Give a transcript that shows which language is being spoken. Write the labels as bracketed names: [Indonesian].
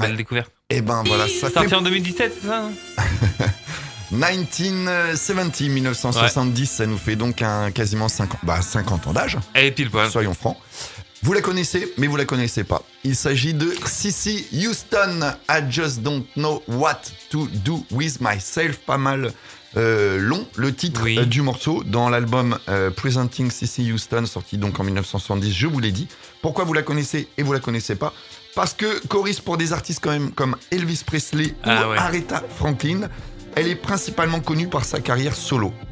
[French] Belle découverte. Et ben voilà, ça sorti en 2017, c'est ça. 1970, ouais. Ça nous fait donc quasiment 50 ans d'âge. Et pile poil. Soyons francs. Vous la connaissez, mais vous la connaissez pas. Il s'agit de Sissy Houston. [English] I just don't know what to do with myself. [French] Pas mal long, le titre oui. Du morceau dans l'album Presenting Sissy Houston, sorti donc en 1970, je vous l'ai dit. Pourquoi vous la connaissez et vous la connaissez pas? Parce que choriste pour des artistes quand même comme Elvis Presley Aretha Franklin, elle est principalement connue par sa carrière solo.